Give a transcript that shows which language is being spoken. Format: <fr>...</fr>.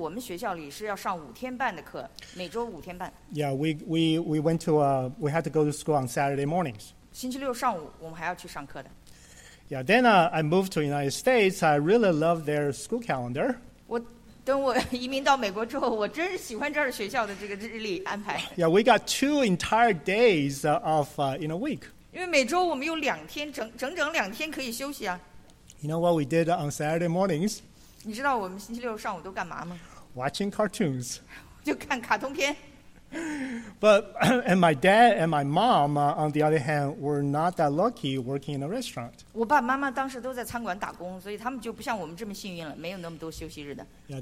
<zh>我不知道你们的小学和中学是怎么样，但是我们学校里是要上五天半的课，每周五天半。</zh> <en>Yeah, we went to we had to go to school on Saturday mornings.</en> <zh>星期六上午我们还要去上课的。</zh> <en>Yeah, then I moved to the United States. I really love their school calendar.</en> <zh>等我移民到美国之后，我真是喜欢这儿学校的这个日历安排。</zh> <en>Yeah, we got 2 entire days off in a week.</en> <zh>因为每周我们有两天，整整两天可以休息啊。</zh> <en>You know what we did on Saturday mornings?</en> <zh>你知道我们星期六上午都干嘛吗？</zh> <en>Watching cartoons.</en> <zh>就看卡通片。</zh> <en>But and my dad and my mom, on the other hand, were not that lucky working in a restaurant.</en> <zh>我爸爸妈妈当时都在餐馆打工，所以他们就不像我们这么幸运了，没有那么多休息日的。Yeah,</zh>